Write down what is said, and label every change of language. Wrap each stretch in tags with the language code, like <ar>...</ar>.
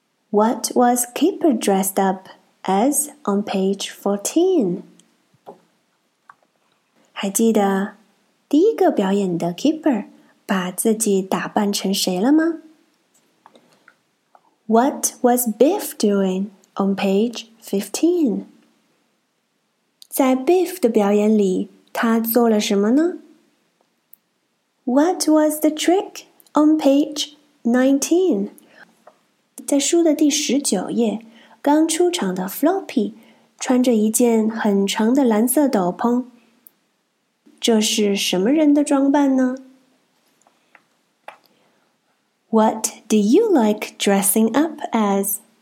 <en>What was Kipper dressed up as on page 14?</en> <zh>还记得第一个表演的 Kipper 把自己打扮成谁了吗？</zh> <en>What was Biff doing? On page 15.</en> <zh>在 Biff 的表演里，他做了什么呢？</zh> <en>What was the trick on page 19?</en> <zh>在书的第十九页，刚出场的 Floppy 穿着一件很长的蓝色斗篷。这是什么人的装扮呢？</zh> <en>What do you like dressing up as?</en>